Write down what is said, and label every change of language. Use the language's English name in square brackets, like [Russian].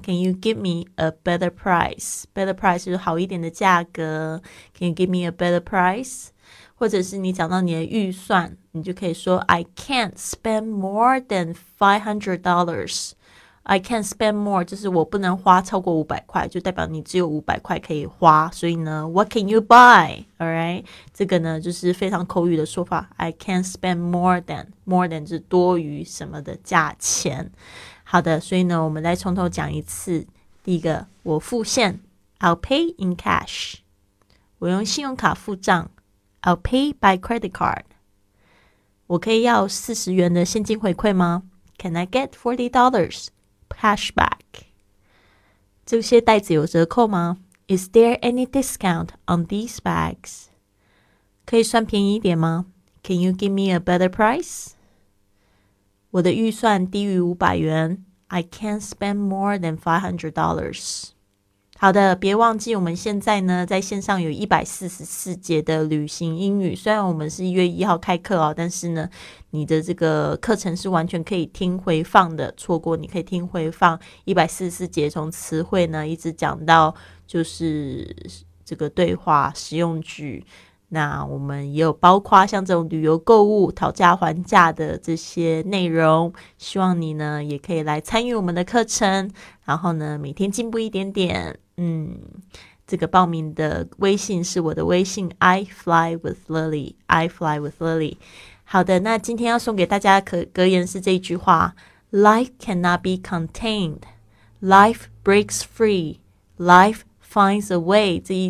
[English] Can you give me a better price? [Chinese] Better price 就是好一点的价格。 [English] Can you give me a better price? [Chinese] 或者是你讲到你的预算，你就可以说 [English] I can't spend more than $500。 I can't spend more [Chinese] 就是我不能花超过500块，就代表你只有500块可以花。所以呢 [English] What can you buy? [Chinese] Alright， 这个呢就是非常口语的说法。 [English] I can't spend more than [Chinese] 就是多于什么的价钱。好的，所以呢我们再从头讲一次。第一个，我付现 [English] I'll pay in cash， [Chinese] 我用信用卡付账 [English] I'll pay by credit card， [Chinese] 我可以要40元的现金回馈吗？ [English] Can I get $40 cash back？ [Chinese] 这些袋子有折扣吗？ [English] Is there any discount on these bags? [Chinese] 可以算便宜一点吗? [English] Can you give me a better price? [Chinese] 我的预算低于500元。 [English] I can't spend more than $500. [Chinese] 好的，别忘记我们现在呢，在线上有144节的旅行英语。虽然我们是1月1号开课哦，但是呢，你的这个课程是完全可以听回放的。错过你可以听回放144节，从词汇呢一直讲到就是这个对话实用句。那我们也有包括像这种旅游购物讨价还价的这些内容，希望你呢也可以来参与我们的课程，然后呢每天进步一点点。这个报名的微信是我的微信 I fly with Lily。好的，那今天要送给大家的格言是这一句话， [English] Life cannot be contained, Life breaks free, Life finds a way。